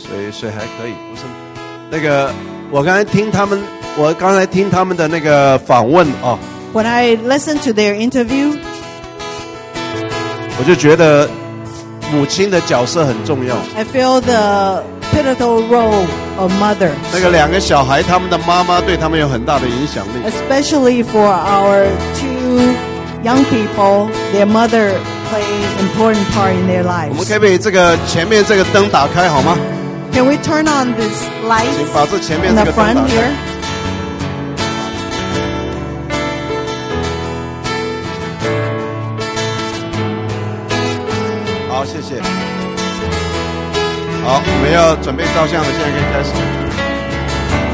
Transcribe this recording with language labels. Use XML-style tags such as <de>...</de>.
<zh>水还可以，不是那个我刚才听他们的那个访问啊。</zh> <en>When I listened to their interview,</en> <zh>我就觉得母亲的角色很重要。</zh> <en>I feel the pivotal role of mother.</en> <zh>那个两个小孩，他们的妈妈对他们有很大的影响力。</zh> <en>Especially for our two young people, their mother plays an important part in their lives.</en> <zh>我们可以把这个前面这个灯打开好吗？</zh> <en>Can we turn on this light?</en> <zh>请把这前面这个灯打开。谢谢。好，我们要准备照相了，现在可以开始。</zh>